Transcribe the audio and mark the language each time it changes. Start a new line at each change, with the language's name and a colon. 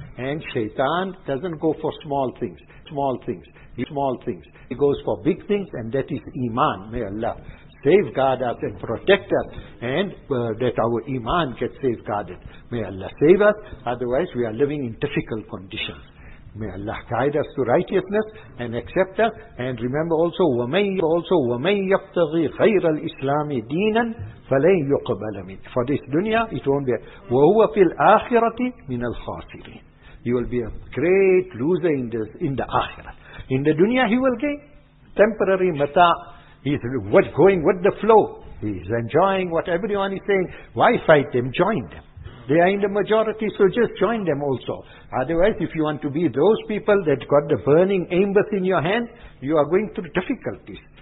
English: And shaitan doesn't go for small things. He goes for big things, and that is iman. May Allah safeguard us and protect us, and that our iman gets safeguarded. May Allah save us, otherwise we are living in difficult conditions. May Allah guide us to righteousness and accept us. And remember also,
Arabic: وَمَنْ يَبْتَغِي غَيْرَ الْإِسْلَامِ دِينًا فَلَنْ يُقْبَلَ مِنْ.
English: For this dunya, it won't be.
Arabic: وَهُوَ فِي الْآخِرَةِ مِنَ الْخَاسِرِينَ.
English: you will be a great loser in this, in the akhirah. In the dunya, he will gain temporary mata. He's going with the flow. He's enjoying what everyone is saying. Why fight them? Join them. They are in the majority, so just join them also. Otherwise, if you want to be those people that got the burning embers in your hand, you are going through difficulties.